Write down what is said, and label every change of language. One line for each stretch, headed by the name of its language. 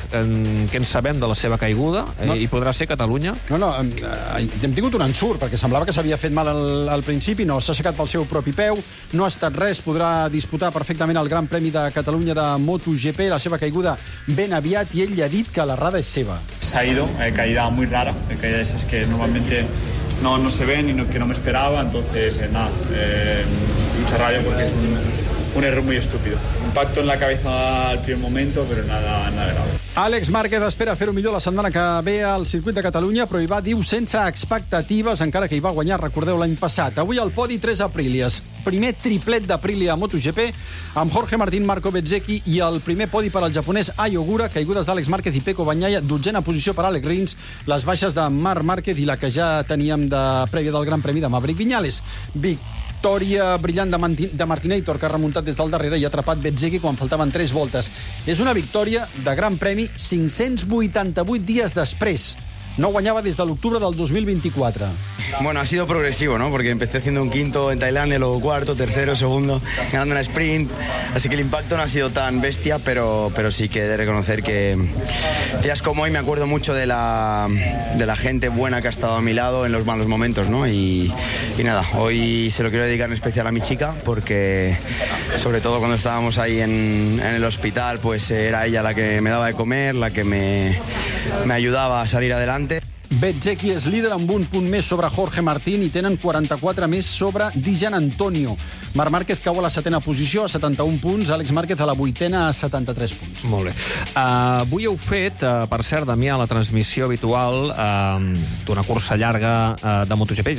Catalan: Què en sabem de la seva caiguda? No. I podrà ser Catalunya? No, hem tingut un ensurt, perquè semblava que s'havia fet mal al principi, no s'ha aixecat pel seu propi peu, no ha estat res, podrà disputar perfectament el Gran Premi de Catalunya de MotoGP, la seva caiguda ben aviat, i ell li ha dit que l'errada és seva.
Spanish: S'ha ido, caída muy rara, caída esas que normalmente no se ven y no, que no me esperaba, entonces mucha rabia porque es un error muy estúpido. Impacto en la cabeza al primer momento, pero nada grave.
Catalan: Àlex Márquez espera fer-ho millor la setmana que ve al circuit de Catalunya, però hi va, diu, sense expectatives, encara que hi va guanyar, recordeu, l'any passat. Avui al podi, 3 Aprilias. Primer triplet d'Aprilia a MotoGP, amb Jorge Martín, Marco Bezzecchi, i el primer podi per al japonès Ayogura, caigudes d'Àlex Márquez i Pecco Bagnaia, dotzena posició per Alex Rins, les baixes de Marc Márquez i la que ja teníem de prèvia del Gran Premi de Maverick Viñales. Victòria brillant de Martinator, que ha remuntat des del darrere i ha atrapat Bezzecchi quan faltaven 3 voltes. És una victòria de Gran Premi 588 dies després.
Spanish: No guanyaba desde el octubre del 2024. Bueno, ha sido progresivo, ¿no? Porque empecé haciendo un quinto en Tailandia, luego cuarto, tercero, segundo, ganando una sprint. Así que el impacto no ha sido tan bestia, pero sí que he de reconocer que días como hoy me acuerdo mucho de la gente buena que ha estado a mi lado en los malos momentos, ¿no? Y nada, hoy se lo quiero dedicar en especial a mi chica, porque sobre todo cuando estábamos ahí en el hospital, pues era ella la que me daba de comer, la que me ayudaba a salir adelante.
Catalan: Bezzecchi és líder amb un punt més sobre Jorge Martín i tenen 44 més sobre Dijan Antonio. Marc Márquez cau a la setena posició, a 71 punts. Àlex Márquez a la vuitena, a 73 punts. Molt bé. Avui heu fet, per cert, Damià, la transmissió habitual d'una cursa llarga de MotoGP.